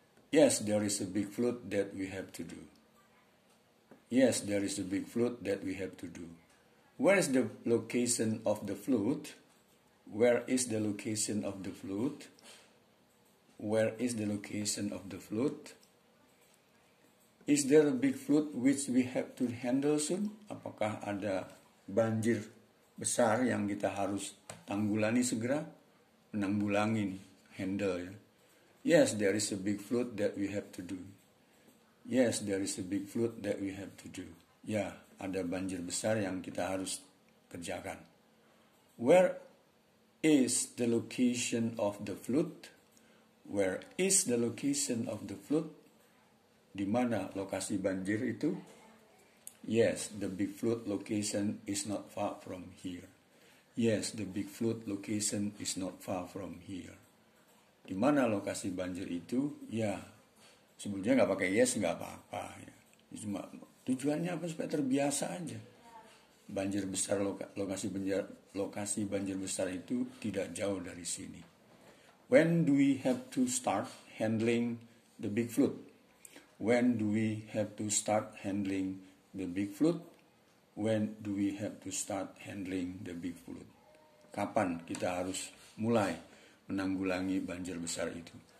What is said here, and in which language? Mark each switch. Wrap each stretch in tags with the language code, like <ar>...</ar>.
<en>Yes, there is a big flood that we have to do. Yes, there is a big flood that we have to do. Where is the location of the flood? Where is the location of the flood? Where is the location of the flood? Is there a big flood which we have to handle soon?</en> <id>Apakah ada banjir besar yang kita harus tanggulangi segera? Menanggulangi, handle ya.</id> <en>Yes, there is a big flood that we have to do. Yes, there is a big flood that we have to do.</en> <id>Ya, ada banjir besar yang kita harus kerjakan.</id> <en>Where is the location of the flood? Where is the location of the flood?</en> <id>Di mana lokasi banjir itu?</id> <en>Yes, the big flood location is not far from here. Yes, the big flood location is not far from here.</en> <id>Di mana lokasi banjir itu? Ya, sebenarnya nggak pakai yes nggak apa-apa. Cuma tujuannya apa supaya terbiasa aja. Banjir besar lokasi banjir besar itu tidak jauh dari sini.</id> <en>When do we have to start handling the big flood? When do we have to start handling the big flood? When do we have to start handling the big flood?</en> <id>Kapan kita harus mulai menanggulangi banjir besar itu?</id>